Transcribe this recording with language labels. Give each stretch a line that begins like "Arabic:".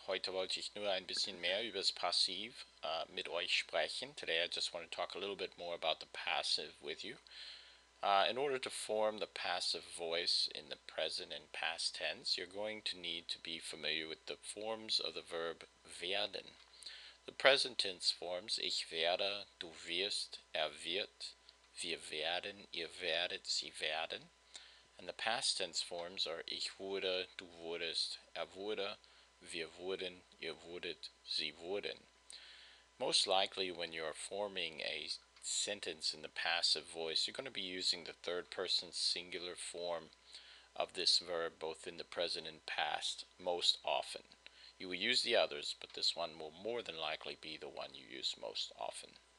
German: Heute wollte ich nur ein bisschen mehr über das Passiv mit euch sprechen.
English: Today I just want to talk a little bit more about the passive with you. In order to form the passive voice in the present and past tense, you're going to need to be familiar with the forms of the verb werden. The present tense forms,
German: ich werde, du wirst, wird, wir werden, ihr werdet, sie werden.
English: And the past tense forms are
German: ich wurde, du wurdest, wurde, wir wurden, ihr wurdet, sie wurden.
English: Most likely, when you are forming a sentence in the passive voice, you're going to be using the third person singular form of this verb, both in the present and past, most often. You will use the others, but this one will more than likely be the one you use most often.